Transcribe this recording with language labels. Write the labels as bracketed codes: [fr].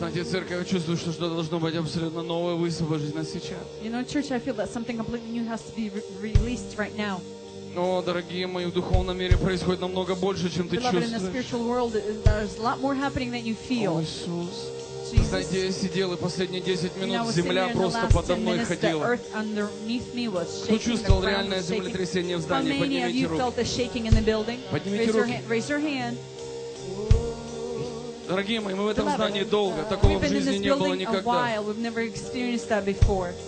[ru] Церковь, я чувствую, что что-то должно быть абсолютно новое высвобождено сейчас. [en] You know, church, I feel that something completely new has to be released right now. [ru] О, дорогие мои, в духовном мире происходит намного больше, чем ты чувствуешь. [en] Beloved, in the spiritual world, there's a lot more happening than you feel. [ru] О, Иисус. Знаете, я сидел, и последние 10 минут земля просто подо мной ходила. Кто чувствовал реальное землетрясение в здании? Поднимите руки. Поднимите руки. Дорогие мои, мы в этом здании долго. Такого в жизни не было никогда.